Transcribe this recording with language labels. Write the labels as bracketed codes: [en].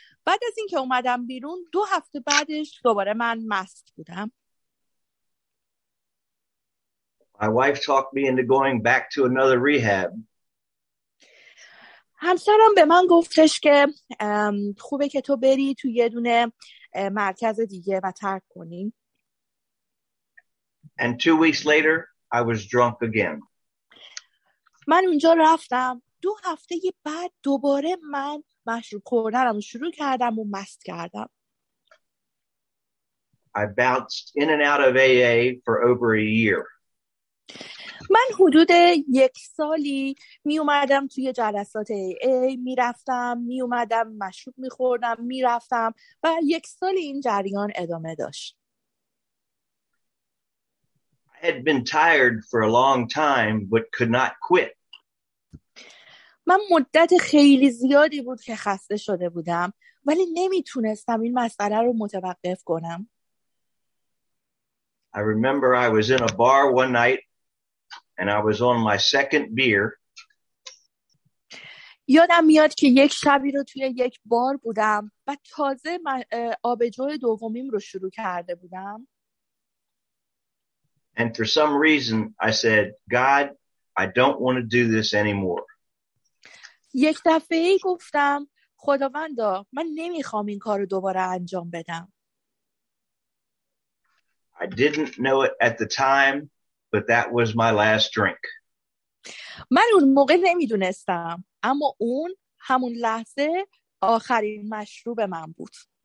[fa] بعد از اینکه اومدم بیرون 2 هفته بعدش دوباره من مست بودم. [en] My wife talked me into going back to another rehab. [fa] همسرم به من گفتش که خوبه که تو بری تو یه دونه مرکز دیگه و ترک کنی. [en] And 2 weeks later I was drunk again. [fa] من اونجا رفتم 2 هفته بعد دوباره من مشروب خوردنم شروع کردم و مست کردم. [en] I bounced in and out of AA for over a year. [fa] من حدود 1 سالی می اومدم توی جلسات AA، می رفتم، می اومدم، مشروب می خوردم، می رفتم و 1 سال این جریان ادامه داشت. [en] I had been tired for a long time but could not quit. [fa] من مدت خیلی زیادی بود که خسته شده بودم ولی نمیتونستم این مسئله رو متوقف کنم. [en] I remember I was in a bar one night and I was on my second beer. [fa] یادم میاد که یک شبی رو توی یک بار بودم و تازه آبجو دومیم رو شروع کرده بودم. [en] And for some reason I said, God, I don't want to do this anymore. [fa] یک دفعه ای گفتم خداوندا من نمیخوام این کار رو دوباره انجام بدم. [en] I didn't know it at the time, but that was my last drink. [fa] من اون موقع نمیدونستم اما اون همون لحظه آخرین مشروب من بود.